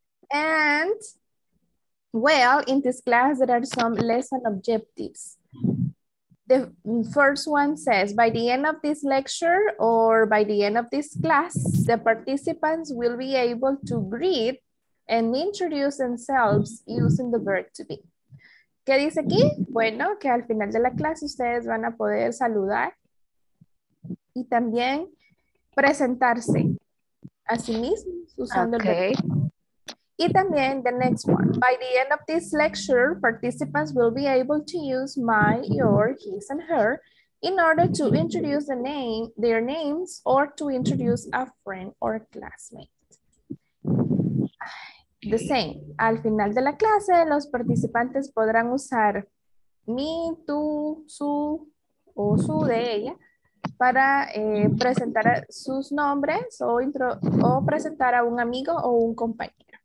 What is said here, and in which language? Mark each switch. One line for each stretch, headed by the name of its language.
English: And well, in this class, there are some lesson objectives. The first one says, by the end of this lecture or by the end of this class, the participants will be able to greet and introduce themselves using the verb to be.
Spanish: ¿Qué dice aquí? Bueno, que al final de la clase ustedes van a poder saludar y también presentarse a sí mismos usando el verbo. Y también
English: the next one. By the end of this lecture, participants will be able to use my, your, his, and her in order to introduce the name, their names, or to introduce a friend or a classmate. The same.
Spanish: Al final de la clase, los participantes podrán usar mi, tú, su o su de ella para presentar sus nombres o presentar a un amigo o un compañero.